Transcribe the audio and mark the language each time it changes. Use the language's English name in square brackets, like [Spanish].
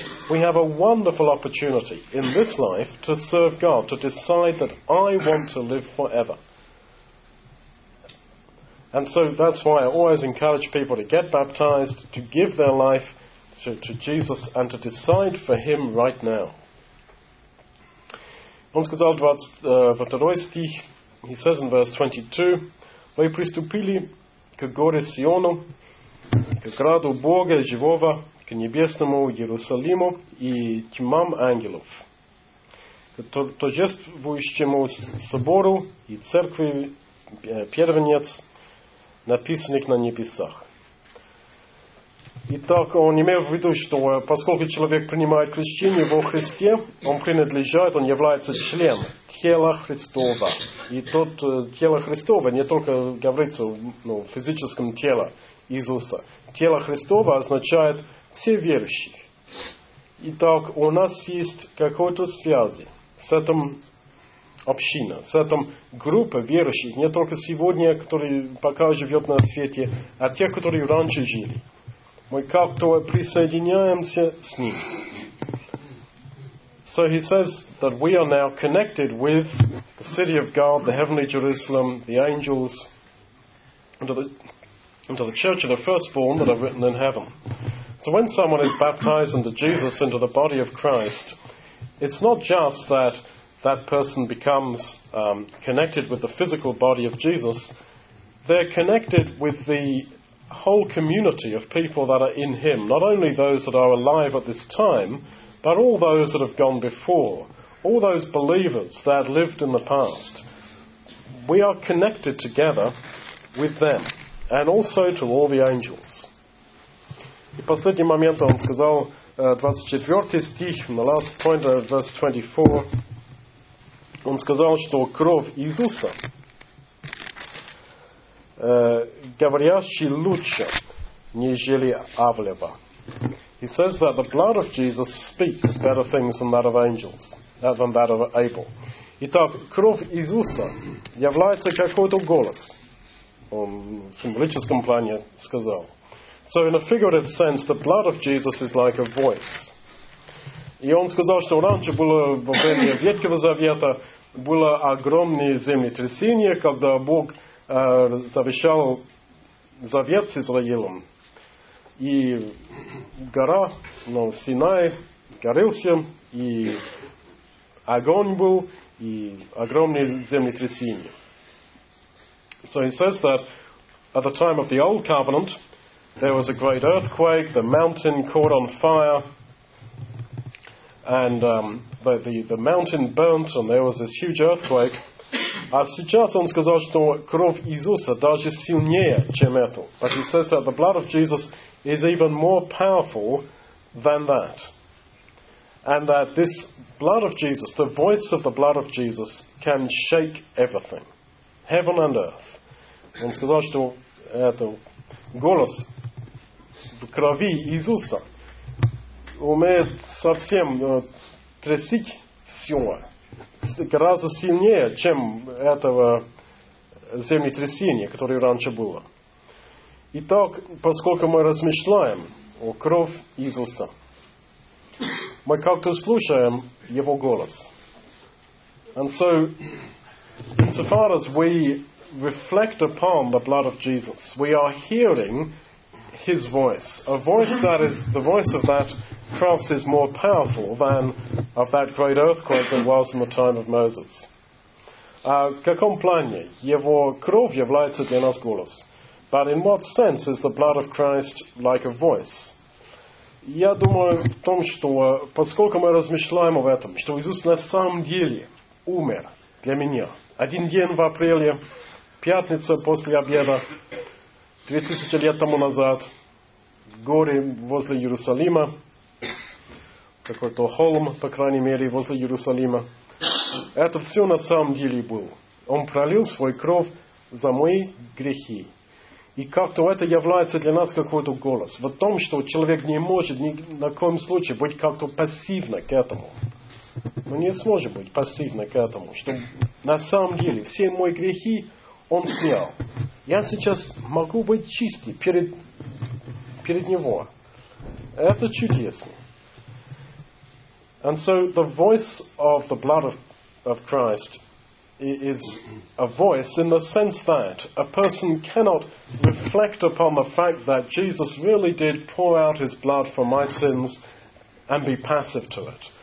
[English] We have a wonderful opportunity in this life to serve God, to decide that I want to live forever. And so that's why I always encourage people to get baptized, to give their life to Jesus, and to decide for him right now. [Russian] Он сказал второй стих, [English] he says in verse 22, [Russian] «Вы приступили к горе Сиону, к граду Бога живого, к небесному Иерусалиму и тьмам ангелов, к торжествующему собору и церкви первенец, написанных на небесах». Итак, он имел в виду, что поскольку человек принимает крещение во Христе, он принадлежит, он является членом тела Христова. И тот тело Христова не только говорится в физическом теле Иисуса. Тело Христова означает все верующие. Итак, у нас есть какая-то связь с этим община, с этим группой верующих, не только сегодня, которые пока живет на свете, а те, которые раньше жили. Мы как-то присоединяемся с ним. [English] So he says that we are now connected with the city of God, the heavenly Jerusalem, the angels, into the church of the firstborn that are written in heaven. So when someone is baptized into Jesus, into the body of Christ, it's not just that that person becomes connected with the physical body of Jesus, they're connected with the whole community of people that are in him, not only those that are alive at this time, but all those that have gone before, all those believers that lived in the past. We are connected together with them, and also to all the angels. [Russian] И последний момент он сказал, 24 стих, [English] the last point of verse 24, [Russian] он сказал, что кровь Иисуса, говорящий лучше, нежели Авлева. [English] He says that the blood of Jesus speaks better things than that of angels, than that of Abel. [Russian] Итак, кровь Иисуса является какой-то голос, он в символическом плане сказал. [English] So in a figurative sense, the blood of Jesus is like a voice. [Russian] И он сказал, что раньше было во время Ветхого Завета, было огромное землетрясение, когда Бог завещал завет с Израилем, и гора, Синай горелся, и огонь был, и огромные землетрясения. [English] So he says that at the time of the Old Covenant, there was a great earthquake, the mountain caught on fire, and the mountain burnt and there was this huge earthquake. [Russian] А сейчас он сказал, что кровь Иисуса даже сильнее, чем это. [English] But he says that the blood of Jesus is even more powerful than that. And that this blood of Jesus, the voice of the blood of Jesus, can shake everything. Heaven and earth. [Russian] Он сказал, что это голос в крови Иисуса умеет совсем трясить все. Гораздо сильнее, чем этого землетрясения, которое раньше было. Итак, поскольку мы размышляем о крови Иисуса, мы как-то слушаем Его голос. [English] And so, insofar as we reflect upon the blood of Jesus, we are hearing His voice. A voice that is the voice of that cross is more powerful than of that great earthquake that was in the time of Moses. [Russian] В каком плане Его кровь является для нас голос? [English] But in what sense is the blood of Christ like a voice? [Russian] Я думаю в том, что поскольку мы размышляем об этом, что Иисус на самом деле умер для меня. Один день в апреле, пятница после обеда, 2000 лет тому назад, в горе возле Иерусалима, какой-то холм, по крайней мере, возле Иерусалима. Это все на самом деле было. Он пролил свой кровь за мои грехи. И как-то это является для нас какой-то голос. В том, что человек не может ни на коем случае быть как-то пассивно к этому. Мы не сможем быть пассивно к этому. Что на самом деле все мои грехи он снял. Я сейчас могу быть чистый перед Него. Это чудесно. [English] And so the voice of the blood of Christ is a voice in the sense that a person cannot reflect upon the fact that Jesus really did pour out His blood for my sins and be passive to it.